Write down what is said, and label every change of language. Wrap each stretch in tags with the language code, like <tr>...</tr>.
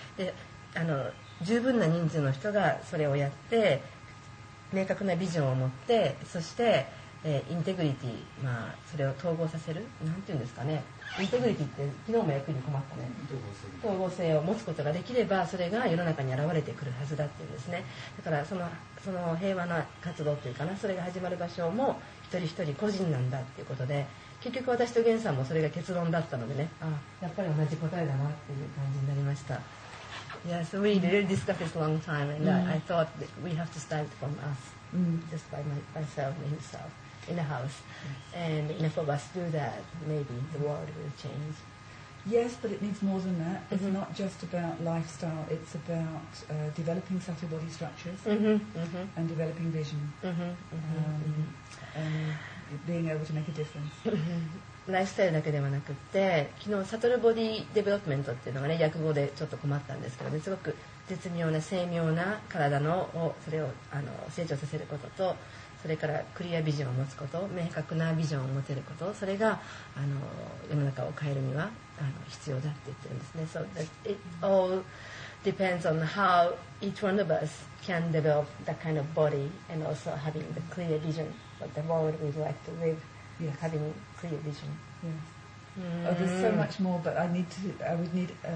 <ja>で、あの、十分な人数の人がそれをやって、明確なビジョンを持って、そして、インテグリティ、まあ、それを統合させる、なんていうんですかね、インテグリティって昨日も役に困ったね、統合性を持つことができれば、それが世の中に現れてくるはずだっていうんですね。だからその平和な活動というかな、それが始まる場所も一人一人個人なんだっていうことで、結局私とゲンさんもそれが結論だったのでね、あ、やっぱり同じ答えだなっていう感じになりました。</ja> <en>Yes, we really discussed this a long time, and I thought that we have to start from us, just by myself and himself, in the house. And if all of us do that, maybe the world will change. Yes, but it needs more than that. Mm-hmm. It's not just about lifestyle. It's about developing subtle body structures and developing vision and being able to make a difference.</en> <ja>ライフスタイルだけではなくて、昨日サトルボディデベロップメントっていうのがね、略語でちょっと困ったんですけどね、すごく絶妙な精妙な体のをそれをあの成長させることと、それからクリアビジョンを持つこと、明確なビジョンを持てること、それがあの世の中を変えるにはあの必要だって言ってるんですね。</ja> <en>So that it all depends on how each one of us can develop that kind of body and also having the clear vision of the world we'd like to liveYes. Having clear vision. Yes. Oh, there's so much more, but I would need</en>